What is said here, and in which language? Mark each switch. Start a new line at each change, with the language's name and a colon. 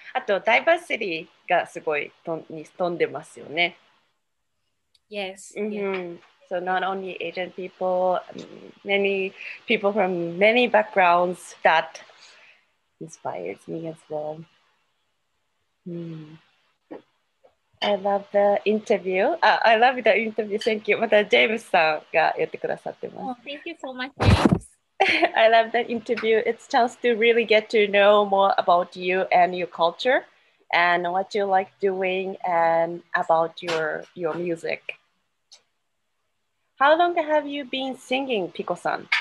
Japanese: あと、ダイバーシティがすごい飛んでますよね。
English: Yes.、 So not only Asian people, many people from many backgrounds that inspires me as well.、I love the interview. I love the interview. Thank you.
Japanese: またジェームスさんが言ってくださってます。
English: Oh, thank you so much, James. I love the interview. It's a chance to really get to know more about you and your culture and what you like doing and about your music. How long have you been singing, Pico-san?